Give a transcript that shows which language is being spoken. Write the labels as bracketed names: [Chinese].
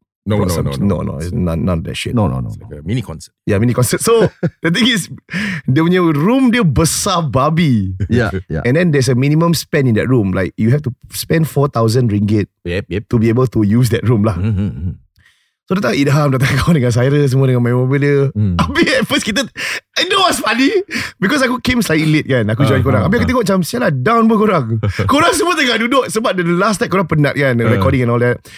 [English] No, none of that shit. No. Like mini concert. Yeah, mini concert. So the thing is, [Malay] dia punya room dia besar babi. [English] Yeah. And then there's a minimum spend in that room. Like you have to spend 4,000 ringgit. Yep. To be able to use that room lah. [Malay] So datang Idham, datang kau dengan Cyrus, semua dengan main mobil dia. Habis [English] at first kita, I know what's funny. Because aku came slightly late [Malay] kan, aku [English] join korang. [Malay] Habis aku tengok macam, siapa lah, down pun korang. Korang semua tengah duduk. Sebab [English] the last night [Malay] korang penat kan, [English] recording and all that.